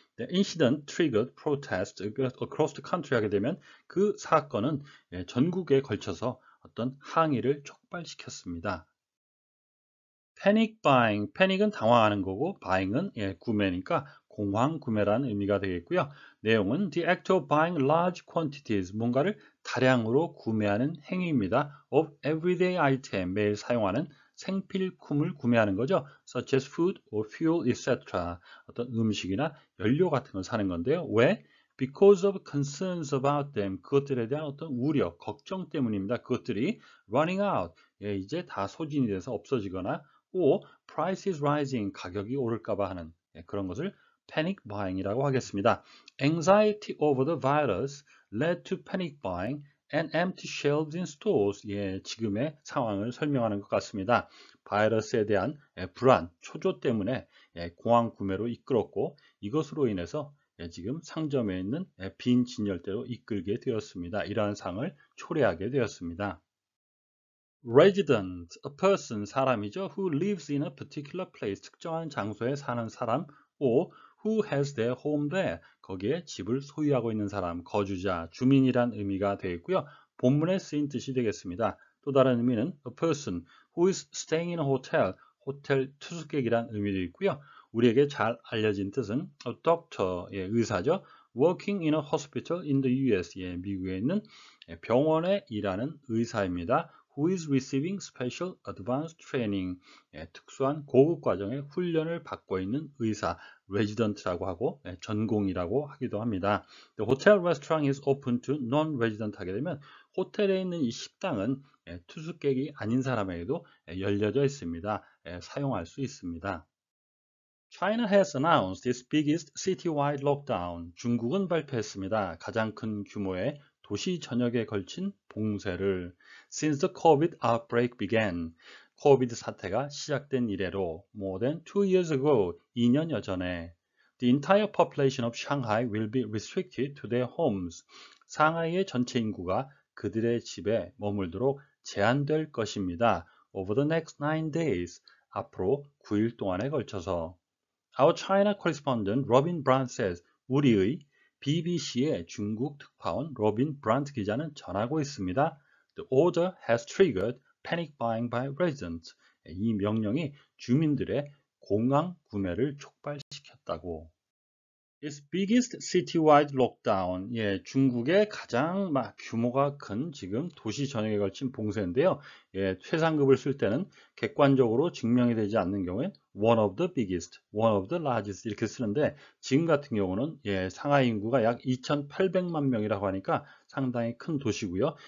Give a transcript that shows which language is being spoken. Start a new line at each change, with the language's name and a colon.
English: The incident triggered protests across the country
Korean: 하게 되면 그 사건은 전국에 걸쳐서 어떤 항의를 촉발시켰습니다.
English: Panic buying.
Korean: Panic은 당황하는 거고, buying은 구매니까 공황 구매라는 의미가 되겠고요. 내용은
English: the act of buying large quantities,
Korean: 뭔가를 다량으로 구매하는 행위입니다.
English: Of everyday item,
Korean: 매일 사용하는 생필품을 구매하는 거죠.
English: Such as food or fuel, etc.
Korean: 어떤 음식이나 연료 같은 걸 사는 건데요. 왜?
English: Because of concerns about them,
Korean: 그것들에 대한 어떤 우려, 걱정 때문입니다. 그것들이
English: running out,
Korean: 이제 다 소진이 돼서 없어지거나,
English: or price is rising,
Korean: 가격이 오를까봐 하는 그런 것을 panic buying이라고 하겠습니다.
English: Anxiety over the virus led to panic buying and empty shelves in stores.
Korean: 예, 지금의 상황을 설명하는 것 같습니다. 바이러스에 대한 불안, 초조 때문에 공황 구매로 이끌었고, 이것으로 인해서 지금 상점에 있는 빈 진열대로 이끌게 되었습니다. 이러한 상황을 초래하게 되었습니다.
English: Resident, a person,
Korean: 사람이죠.
English: Who lives in a particular place,
Korean: 특정한 장소에 사는 사람.
English: Or who has their home there,
Korean: 거기에 집을 소유하고 있는 사람, 거주자, 주민이란 의미가 되겠고요. 본문에 쓰인 뜻이 되겠습니다. 또 다른 의미는
English: a person who is staying in a hotel,
Korean: 호텔 투숙객이란 의미도 있고요. 우리에게 잘 알려진 뜻은
English: a doctor,
Korean: 예, 의사죠.
English: Working in a hospital in the US,
Korean: 예, 미국에 있는 병원에 일하는 의사입니다.
English: Who is receiving special advanced training?
Korean: 예, 특수한 고급 과정의 훈련을 받고 있는 의사, resident라고 하고, 예, 전공이라고 하기도 합니다.
English: The hotel restaurant is open to non-resident
Korean: 하게 되면 호텔에 있는 이 식당은 예, 투숙객이 아닌 사람에게도 예, 열려져 있습니다. 예, 사용할 수 있습니다.
English: China has announced its biggest citywide lockdown.
Korean: 중국은 발표했습니다. 가장 큰 규모의 도시 전역에 걸친 봉쇄를.
English: Since the COVID outbreak began,
Korean: COVID 사태가 시작된 이래로,
English: more than 2 years ago,
Korean: 2년여 전에,
English: the entire population of Shanghai will be restricted to their homes.
Korean: 상하이의 전체 인구가 그들의 집에 머물도록 제한될 것입니다.
English: Over the next 9 days,
Korean: 앞으로 9일 동안에 걸쳐서.
English: Our China correspondent Robin Brant says,
Korean: 우리의 BBC의 중국 특파원 로빈 브란트 기자는 전하고 있습니다.
English: The order has triggered panic buying by residents.
Korean: 이 명령이 주민들의 공황 구매를 촉발시켰다고.
English: Its biggest citywide lockdown.
Korean: 예, 중국의 가장 막 규모가 큰 지금 도시 전역에 걸친 봉쇄인데요. 예, 최상급을 쓸 때는 객관적으로 증명이 되지 않는 경우엔
English: one of the biggest, one of the largest
Korean: 이렇게 쓰는데 지금 같은 경우는 예, 상하이 인구가 약 2,800만 명이라고 하니까 상당히 큰 도시고요.